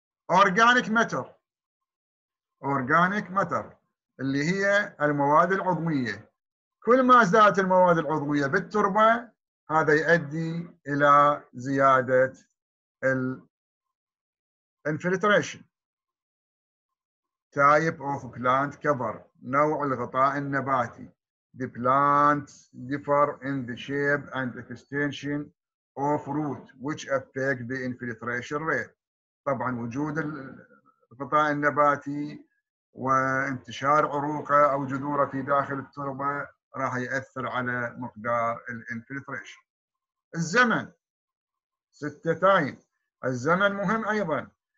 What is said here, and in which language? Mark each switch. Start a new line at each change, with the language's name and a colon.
Arabic: أورجانيك ماتر، أورجانيك ماتر اللي هي المواد العضوية، كل ما زادت المواد العضوية بالتربة هذا يؤدي إلى زيادة الانفلتريشن.
English: Type of plant cover،
Arabic: نوع الغطاء النباتي.
English: The plants differ in the shape and extension of root which affect the infiltration rate.
Arabic: طبعا وجود الغطاء النباتي وانتشار عروقه او جذوره في داخل التربه راح ياثر على مقدار الانفلتريشن. الزمن، ستة تايم، الزمن مهم ايضا.